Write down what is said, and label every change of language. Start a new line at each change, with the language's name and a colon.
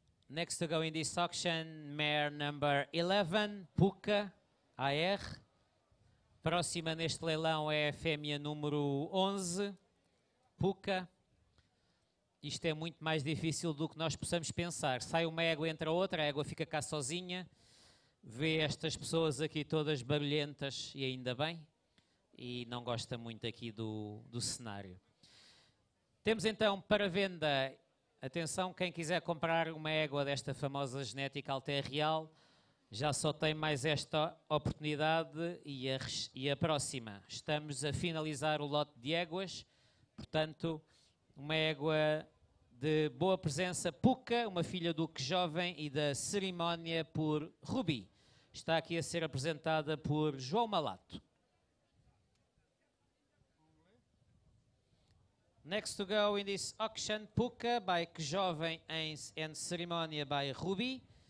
English: Next to go in this auction, mare number 11, PUCA, AR.
Portuguese: Próxima neste leilão é a fêmea número 11, PUCA. Isto é muito mais difícil do que nós possamos pensar. Sai uma égua, entra outra, a égua fica cá sozinha. Vê estas pessoas aqui todas barulhentas e ainda bem. E não gosta muito aqui do cenário. Temos então para venda, atenção, quem quiser comprar uma égua desta famosa genética Altair Real, já só tem mais esta oportunidade e a próxima. Estamos a finalizar o lote de éguas, portanto, uma égua de boa presença, PUCA, uma filha do que jovem e da cerimónia por Rubi. Está aqui a ser apresentada por João Malato.
English: Next to go in this auction, PUCA by Kjoven and Ceremonia by Ruby.